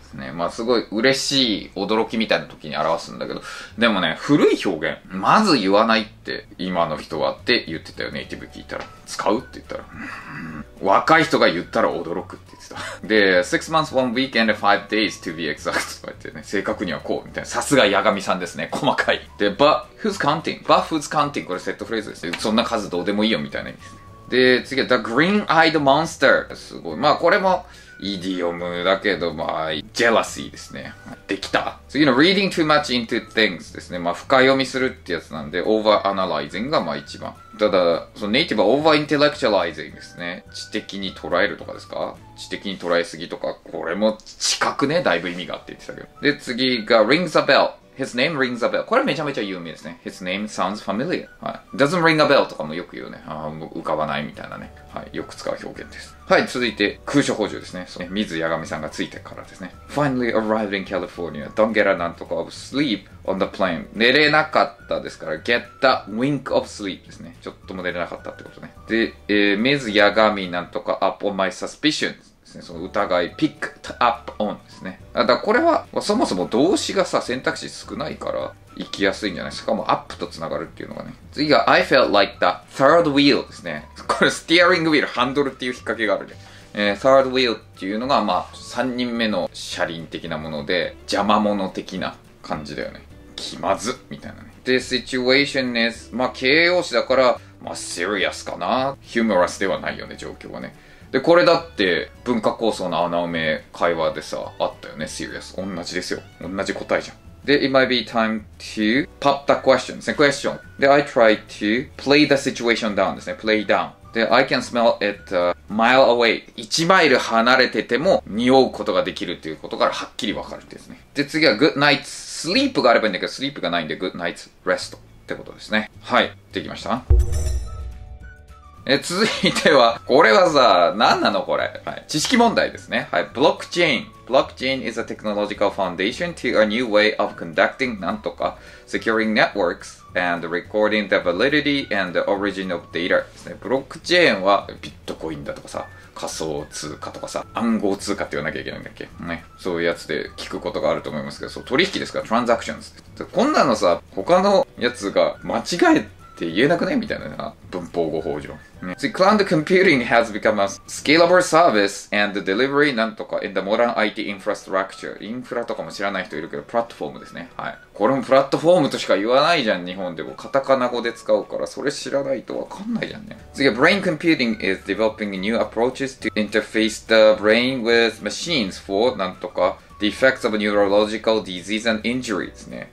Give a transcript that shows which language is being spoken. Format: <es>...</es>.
<ja>ね、まあすごい嬉しい驚きみたいな時に表すんだけど、でもね、古い表現、まず言わないって今の人はって言ってたよ、ネイティブ聞いたら。使うって言ったら。若い人が言ったら驚くって言ってた。で、</ja> <en>6 months, 1 week and 5 days to be exact</en> <ja>とか言ってね、正確にはこうみたいな。さすが八神さんですね、細かい。</ja> <en>で、but who's counting?</en> <ja>これセットフレーズですね。そんな数どうでもいいよみたいな意味ですね。で、次は</ja> <en>the green-eyed monster。</en> <ja>すごい、まあこれもイディオムだけど、まあ、ジェラシーですね。できた。次の</ja> <en>reading too much into things</en> <ja>ですね。まあ、深読みするってやつなんで、overanalyzing がまあ一番。ただ、そのネイティブは overintellectualizing ですね。知的に捉えるとかですか？知的に捉えすぎとか、これも近くね、だいぶ意味があって言ってたけど。で、次が</ja> <en>rings a bell。 His name rings a bell.</en> <ja>これめちゃめちゃ有名ですね。</ja> <en>His name sounds familiar.</en> <ja>はい。</ja> <en>Doesn't ring a bell</en> <ja>とかもよく言うね。ああ、もう浮かばないみたいなね。はい。よく使う表現です。はい。続いて、空所補充ですね。そう。水矢神さんがついてからですね。</ja> <en>Finally arrived in California. Don't get a</en> <ja>なんとか</ja> <en>of sleep on the plane.</en> <ja>寝れなかったですから、</ja> <en>get the wink of sleep</en> <ja>ですね。ちょっとも寝れなかったってことね。で、水矢神なんとか</ja> <en>up on my suspicions.</en> <ja>その疑い</ja> <en>picked up on</en> <ja>ですね。だからこれはそもそも動詞がさ選択肢少ないから行きやすいんじゃないですか。もう up とつながるっていうのがね。次が</ja> <en>I felt like the third wheel</en> <ja>ですね。これ steering wheel ハンドルっていう引っ掛けがあるね。third wheel っていうのがまあ3人目の車輪的なもので邪魔者的な感じだよね。気まずみたいなね。で situation is まあ形容詞だからまあ serious かな。 humorous ではないよね状況はね。で、これだって、文化構想の穴埋め会話でさ、あったよね、serious。同じですよ。同じ答えじゃん。で、</ja> <en>it might be time to pop the question ですね、question。で、I try to play the situation down</en> <ja>ですね、</ja> <en>play down。で、I can smell it a mile away。</en> <ja>1マイル離れてても、匂うことができるっていうことからはっきりわかるってですね。で、次は good night's sleep があればいいんだけど、sleep がないんで good night's rest ってことですね。はい、できました。続いては、これはさ、何なのこれ、はい。知識問題ですね。はい。ブロックチェーン。ブロックチェーン</ja> <en>is a technological foundation to a new way of conducting なんとか securing networks and recording the validity and the origin of data</en> <ja>ですね。ブロックチェーンはビットコインだとかさ、仮想通貨とかさ、暗号通貨って言わなきゃいけないんだっけ、ね、そういうやつで聞くことがあると思いますけど、そう取引ですから、transactions。こんなのさ、他のやつが間違えて、って言えなくないみたいな、ね、文法語法上。</ja> <en>See, cloud computing has become a scalable service and delivery</en> <ja>なんとか</ja> <en>in the modern IT infrastructure.</en> <ja>インフラとかも知らない人いるけど、プラットフォームですね。はい。これもプラットフォームとしか言わないじゃん、日本でも。カタカナ語で使うから、それ知らないとわかんないじゃんね。</ja> <en>次は、brain computing is developing new approaches to interface the brain with machines for</en> <ja>なんとか</ja> <en>the effects of neurological disease and injury ですね。</en>